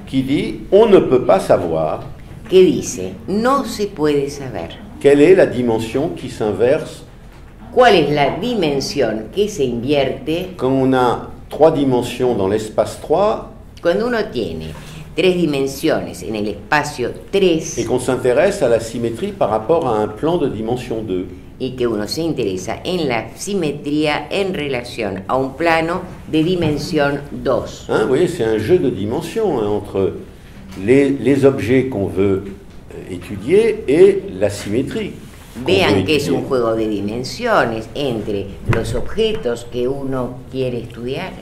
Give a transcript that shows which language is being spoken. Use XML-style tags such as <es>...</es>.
<fr>qui dit, on ne peut pas savoir,</fr> <es>que dice, no se puede saber,</es> <fr>quelle est la dimension qui s'inverse.</fr> <es>¿Cuál es la dimensión que se invierte? Cuando uno tiene tres dimensiones en el espacio 3. Cuando uno tiene tres dimensiones en el espacio 3. Y que uno se interesa en la simetría</es> <fr>par rapport a un plan</fr> <es>de dimensión 2. Y que uno se interesa en la simetría en relación a un plano de dimensión 2.</es> <fr>Hein, vous voyez, c'est un jeu de dimensions, hein, entre les objets qu'on veut étudier et la simétrie.</fr> <es>Vean que es un juego de dimensiones entre los objetos que uno quiere estudiar.</es>